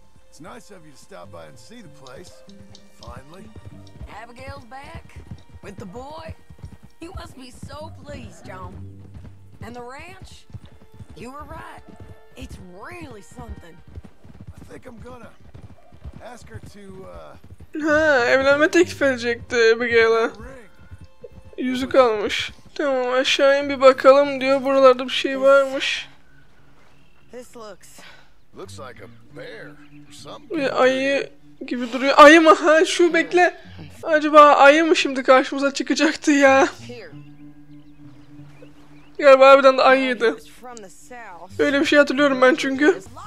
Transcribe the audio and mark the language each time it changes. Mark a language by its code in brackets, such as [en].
[en] It's nice of you to stop by and see the place. Finally. Abigail's back with the boy. You must be so pleased, John. And the ranch? You were right. It's really something. I think I'm gonna ask her to [tr] Ha, evlenme teklif edecekti Abigail'a. Yüzük almış. Tamam, aşağıya bir bakalım diyor. Buralarda bir şey varmış. [en] This looks Looks like a bear or something. [tr] Bir ayı gibi duruyor. Ayı mı? Ha, şu bekle. Acaba ayı mı şimdi karşımıza çıkacaktı ya? Galiba harbiden de ayıydı. Öyle bir şey hatırlıyorum ben çünkü.